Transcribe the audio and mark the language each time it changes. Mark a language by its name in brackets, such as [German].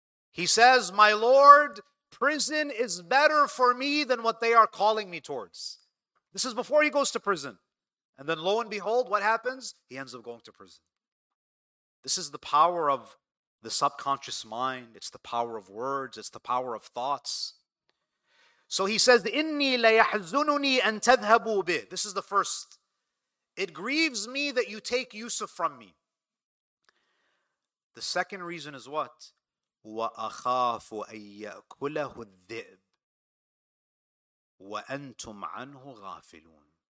[English] He says, "My Lord, prison is better for me than what they are calling me towards." This is before he goes to prison. And then lo and behold, what happens? He ends up going to prison. This is the power of the subconscious mind. It's the power of words. It's the power of thoughts. So he says, [Arabic] إِنِّي لَيَحْزُنُنِي أَن تَذْهَبُوا بِهِ. [English] This is the first. "It grieves me that you take Yusuf from me." The second reason is what? [Arabic] وَأَخَافُ أَن يَأْكُلَهُ الذِّئْبُ. وأنتم عنه غافلون.